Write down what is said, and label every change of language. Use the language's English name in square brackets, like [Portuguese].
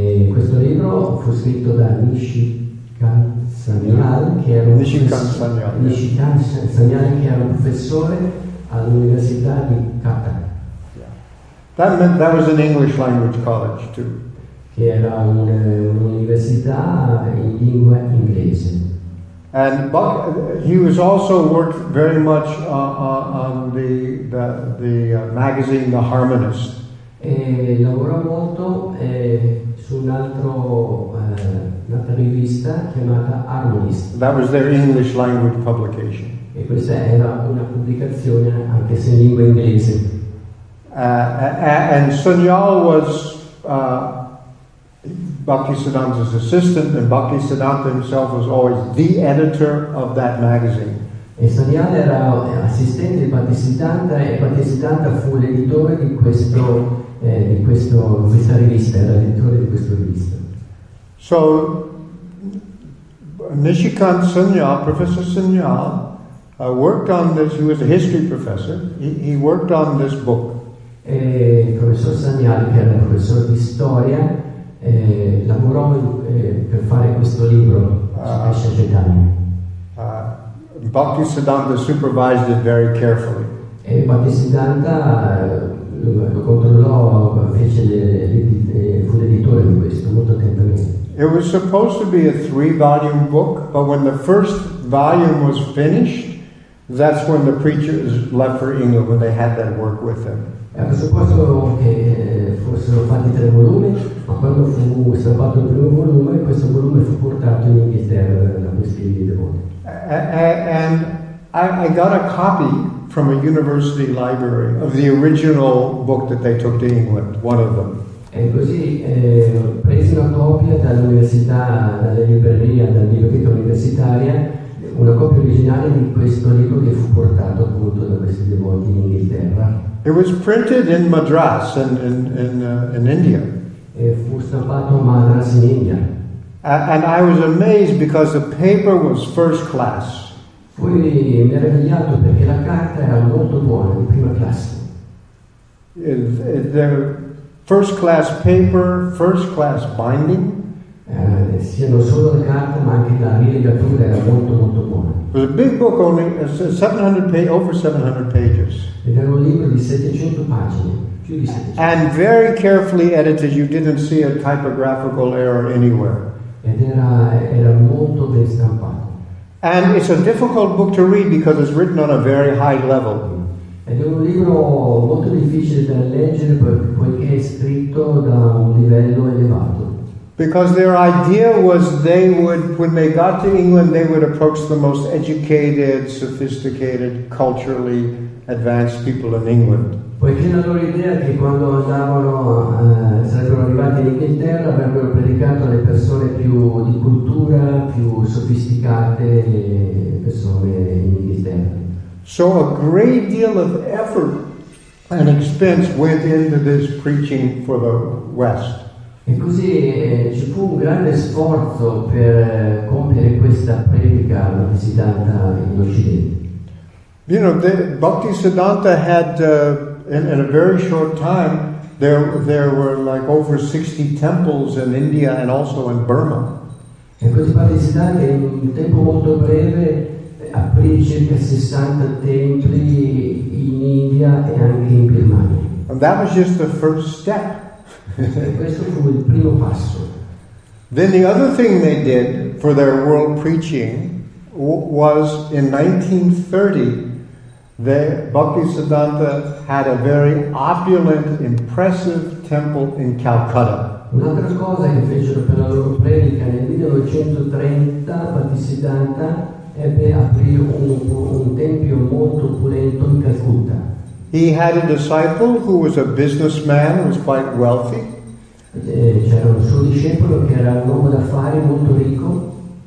[Italian] Questo libro fu scritto da Nishikant Sanyal, che era un professore all'università di Kutta. [English] Yeah. That meant that was an English language college too. [Italian] Che era un'università in lingua inglese. [English] And Buck, he was also worked very much on the magazine The Harmonist. [Italian] E lavorò molto su un'altra rivista chiamata Harmonist. [English] That was their English language publication. [Italian] E questa era una pubblicazione anche se in lingua inglese. [English] And Sunyal was Bhaktisiddhanta's assistant, and Bhaktisiddhanta himself was always the editor of that magazine. [Italian] E Sanyal era assistente di Bhaktisiddhanta e Bhaktisiddhanta fu l'editore di questo questa rivista, era l'editore di questa rivista. [English] So Nishikant Sanyal, Professor Sanyal, worked on this. He was a history professor. He worked on this book. [Italian] E il professor Sanyal, che era un professore di storia, lavorò per fare questo libro, Sukhesha Chaitanya. [English] Bhaktisiddhanta supervised it very carefully. [Italian] E Bhaktisiddhanta controllò, fece fu l'editore di questo molto attentamente. [English] It was supposed to be a 3-volume book, but when the first volume was finished, that's when the preachers left for England, when they had that work with them. [Italian] Era supposto che fossero fatti 3 volumi, ma quando fu stampato il primo volume, questo volume fu portato in Inghilterra da questi devoti. [English] And I got a copy from a university library of the original book that they took to England, one of them. [Italian] E così presi una copia dall'università, dalla libreria, dalla biblioteca universitaria, una copia originale di questo libro che fu portato appunto da questi devoti in Inghilterra. [English] It was printed in Madras in India. [Italian] E fu stampato a Madras in India. [English] And I was amazed because the paper was first class. [Italian] Fui meravigliato perché la carta era molto buona, di prima classe. [English] The first class paper, first class binding. [Italian] Sì, non solo la carta, ma anche la rilegatura era molto molto buona. [English] It was a big book, only 700 pages. [Italian] Ed era un libro di 700 pagine. [English] And very carefully edited, you didn't see a typographical error anywhere. [Italian] Ed era molto ben stampato. [English] And it's a difficult book to read because it's written on a very high level. [Italian] Ed è un libro molto difficile da leggere poiché è scritto da un livello elevato. [English] Because their idea was they would, when they got to England, they would approach the most educated, sophisticated, culturally advanced people in England. [Italian] Poiché la loro idea è che quando andavano, sarebbero arrivati in Inghilterra, avrebbero predicato alle persone più di cultura, più sofisticate, le persone in Inghilterra. [English] So a great deal of effort and expense went into this preaching for the West. [Italian] E così ci fu un grande sforzo per compiere questa predica alla Bhaktisiddhanta in Occidente. [English] You know, Bhaktisiddhanta had in a very short time there were like over 60 temples in India and also in Burma. [Italian] E così Bhaktisiddhanta in un tempo molto breve aprì circa 60 templi in India e anche in Birmania. [English] And that was just the first step. [Italian] E questo fu il primo passo. [English] Then the other thing they did for their world preaching was in 1930 Bhaktisiddhanta had a very opulent, impressive temple in Calcutta. [Italian] Un'altra cosa che fecero per la loro predica nel 1930, Bhaktisiddhanta ebbe aprire un tempio molto opulento in Calcutta. [English] He had a disciple who was a businessman who was quite wealthy. [Italian] C'era un suo discepolo che era un uomo d'affari molto ricco.